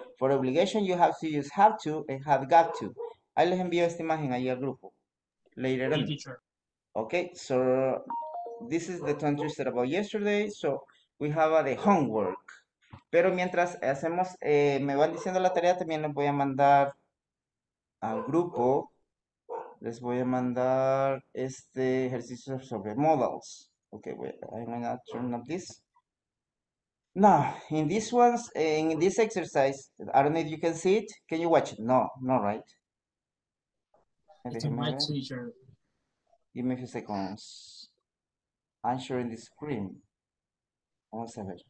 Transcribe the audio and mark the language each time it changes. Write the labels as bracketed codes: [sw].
[en] For obligation, you have to use have to and have got to. [es] Ahí les envío esta imagen ahí al grupo. [en] Later on. Okay, so this is the time you said about yesterday. So we have the homework. [es] Pero mientras hacemos, me van diciendo la tarea, también les voy a mandar al grupo. Les voy a mandar este ejercicio sobre models. [en] Okay, I'm gonna turn up this. Now, in this ones, in this exercise, I don't know if you can see it. Can you watch it? No, not right. It's a mic teacher. Give me a few seconds. I'm sharing the screen. [es] Vamos a ver.